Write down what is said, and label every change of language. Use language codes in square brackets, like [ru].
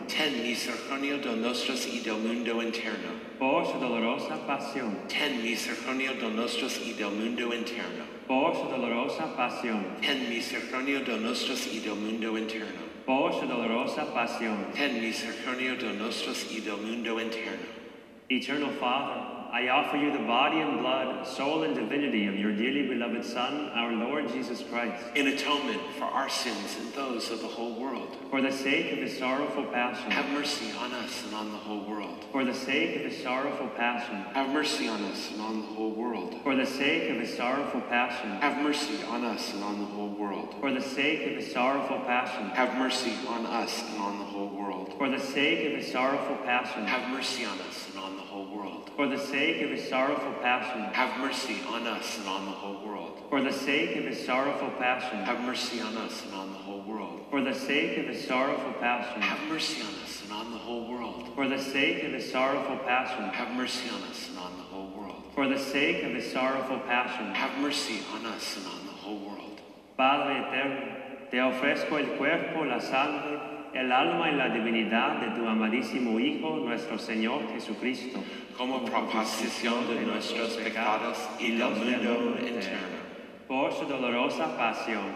[es] ten misericordia de nosotros y del mundo entero. Por su dolorosa pasión, ten misericordia de nosotros y del mundo entero. Por su dolorosa pasión, ten misericordia de nosotros y del mundo entero. Por su dolorosa pasión, ten misericordia de nosotros y del mundo entero. [en] Eternal Father, I offer you the body and blood, soul and divinity of your dearly beloved Son, our Lord Jesus Christ, in atonement for our sins and those of the whole world. For the sake of his sorrowful passion, have mercy on us and on the whole world. For the sake of his sorrowful passion, have mercy on us and on the whole world. For the sake of his sorrowful passion, have mercy on us and on the whole world. For the sake of his sorrowful passion, have mercy on us and on the whole world. For the sake of his sorrowful passion, have mercy on us. World. For the sake of his sorrowful passion, have mercy on us and on the whole world. For the sake of his sorrowful passion, have mercy on us and on the whole world. For the sake of his sorrowful passion, have mercy on us and on the whole world. For the sake of his sorrowful passion, have mercy on us and on the whole world. For the sake of his sorrowful passion, have mercy on us and on the whole world. [es] Padre eterno, te ofrezco el cuerpo, la sangre, el alma y la divinidad de tu amadísimo Hijo, nuestro Señor Jesucristo, como propiciación de nuestros pecados y del mundo entero. Por su dolorosa pasión,